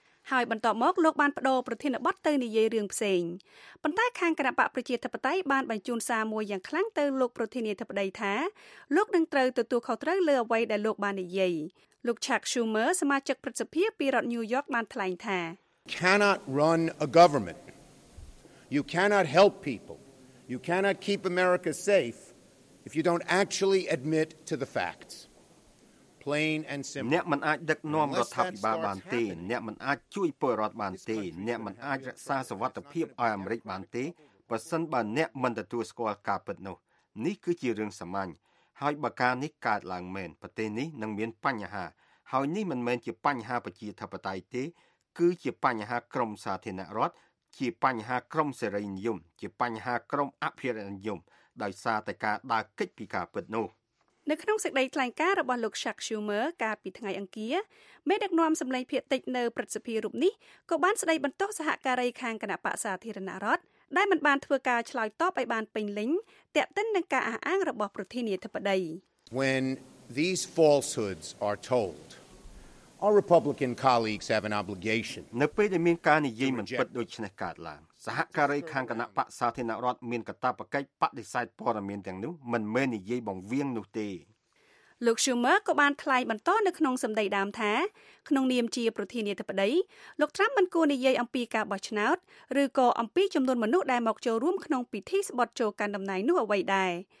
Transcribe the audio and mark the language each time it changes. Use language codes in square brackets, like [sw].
[km] ហើយបន្តមកលោកបានបដូរប្រធានបទទៅនិយាយរឿងផ្សេងប៉ុន្តែខាងគណបកប្រជាធិបតេយ្យបានបញ្ជូនសារមួយយ៉ាងខ្លាំងទៅលោកប្រធានាធិបតីថាលោកនឹងត្រូវទទួលខុសត្រូវលើអ្វីដែលលោកបាននិយាយលោក Chuck Schumer សមាជិកព្រឹទ្ធសភាពីរដ្ឋ New York បានថ្លែងថា [en] Cannot run a government. You cannot help people. You cannot keep America safe if you don't actually admit to the facts. plain and simple [km] អ្នកមិនអាចដឹកនាំរដ្ឋាភិបាលបានទេអ្នកមិនអាចជួយពលរដ្ឋបានទេអ្នកមិនអាចរក្សាសវត្ថិភាពឲ្យអាមេរិកបានទេបើសិនបើអ្នកមិនទទួលស្គាល់ការពិតនោះនេះគឺជារឿងសាមញ្ញហើយបើការនេះកើតឡើងមែនប្រទេសនេះនឹងមានបញ្ហាហើយនេះមិនមែនជាបញ្ហាប្រជាធិបតេយ្យទេគឺជាបញ្ហាក្រមសាធារណរដ្ឋជាបញ្ហាក្រមសេរីនិយមជាបញ្ហាក្រមអភិរិយនិយមដោយសារតែការដើរគេចពីការពិតនោះ នៅក្នុងសេចក្តីថ្លែងការណ៍របស់លោក Chuck Schumer កាលពីថ្ងៃអង្គារមេដឹកនាំសម្លេងភៀតតិចនៅព្រឹទ្ធសភារូបនេះក៏បានស្ដីបន្ទោសសហការីខាងគណៈបក្សសាធារណរដ្ឋដែលមិនបានធ្វើការឆ្លើយតបឲ្យបានពេញលេញតែកតិននឹងការអះអាងរបស់ប្រធានាធិបតី [en] When these falsehoods are told our Republican colleagues have an obligation [km] នៅពេលដែលមានការនិយាយមិនពិតដូចនេះកើតឡើងសហការីខាងគណៈបក្សសាធារណរដ្ឋមានកាតព្វកិច្ចបដិសេធព័ត៌មានទាំងនោះមិនមែននិយាយបង្វៀងនោះទេ លោក Schumer ក៏បានថ្លែងបន្តនៅក្នុងសម្ដីដើមថាក្នុងនាមជាប្រធានាធិបតីលោក Trump មិនគួរនិយាយអំពីការបោះឆ្នោតឬក៏អំពីចំនួនមនុស្សដែលមកចូលរួមក្នុងពិធីស្បុតចូលកាន់តំណែងនោះអ្វីដែរ